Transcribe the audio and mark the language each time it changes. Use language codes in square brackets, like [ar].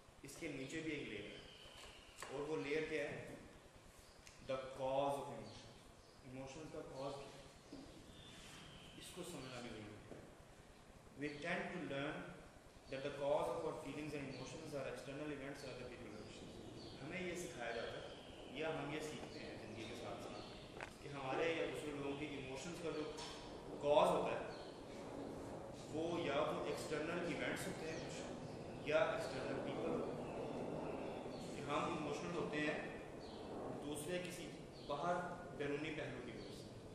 [hi] इसके नीचे भी एक लेयर है और वो लेयर क्या है, [en] the cause of emotion, [hi] emotions का कॉज क्या है, इसको समझना भी जरूरी है। [en] We tend to learn that the cause of our feelings and emotions are external events or other people's emotions. [hi] हमें ये सिखाया जाता है या हम ये सीखते हैं जिंदगी के साथ साथ कि हमारे या दूसरे लोगों के इमोशंस का जो कॉज होता है वो या तो एक्सटर्नल इवेंट्स होते हैं या एक्सटर्नल पीपल होते हैं। कि हम इमोशनल होते हैं दूसरे किसी बाहर बैरूनी पहलू की वजह से।